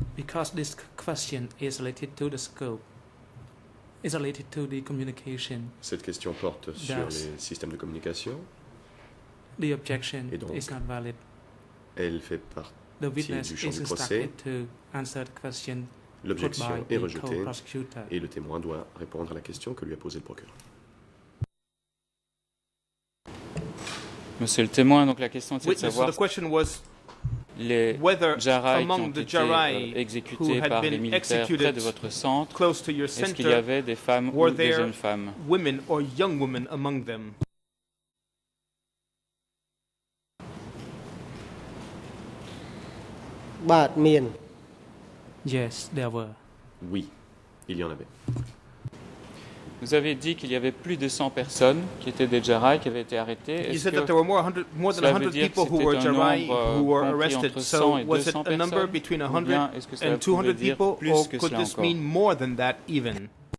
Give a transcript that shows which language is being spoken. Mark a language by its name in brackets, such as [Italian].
[English] Because this question is related to the scope, is related to the communication. [French] Cette question porte sur les systèmes de communication. [English] The objection is not valid. [French] Elle fait partie du champ du procès. [English] The witness is instructed to answer the question. [French] L'objection est rejetée et le témoin doit répondre à la question que lui a posée le procureur. Monsieur le témoin, donc la question était de savoir [English] so the question was [French] les Jarai qui ont été exécutés par les militaires près de votre centre, [English] close to your center, [French] est-ce qu'il y avait des femmes ou des jeunes femmes [English] women or young women among them? But, mien. Yes, there were. [French] Oui, il y en avait. Vous avez dit qu'il y avait plus de 100 personnes qui étaient des Jarai qui avaient été arrêtées. Est-ce [English] you said that there were more than 100 people who were Jarai who were arrested. So was it a number between 100 and 200 people, or could this mean more than that even?